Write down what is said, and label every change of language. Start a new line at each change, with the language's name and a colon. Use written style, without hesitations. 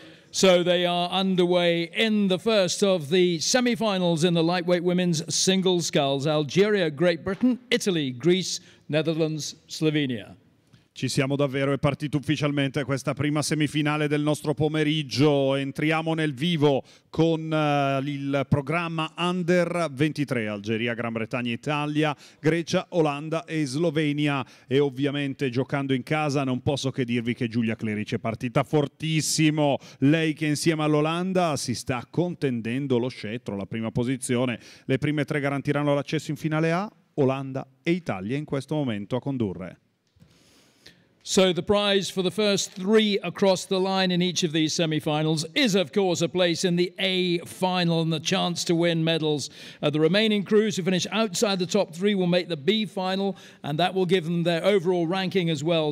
English: So they are underway in the first of the semi-finals in the lightweight women's single sculls. Algeria, Great Britain, Italy, Greece, Netherlands, Slovenia.
Italian: Ci siamo davvero, è partito ufficialmente questa prima semifinale del nostro pomeriggio. Entriamo nel vivo con il programma Under 23, Algeria, Gran Bretagna, Italia, Grecia, Olanda e Slovenia. E ovviamente giocando in casa non posso che dirvi che Giulia Clerici è partita fortissimo. Lei che insieme all'Olanda si sta contendendo lo scettro, la prima posizione. Le prime tre garantiranno l'accesso in finale A, Olanda e Italia in questo momento a condurre.
English: So the prize for the first three across the line in each of these semi-finals is, of course, a place in the A final and the chance to win medals. The remaining crews who finish outside the top three will make the B final, and that will give them their overall ranking as well.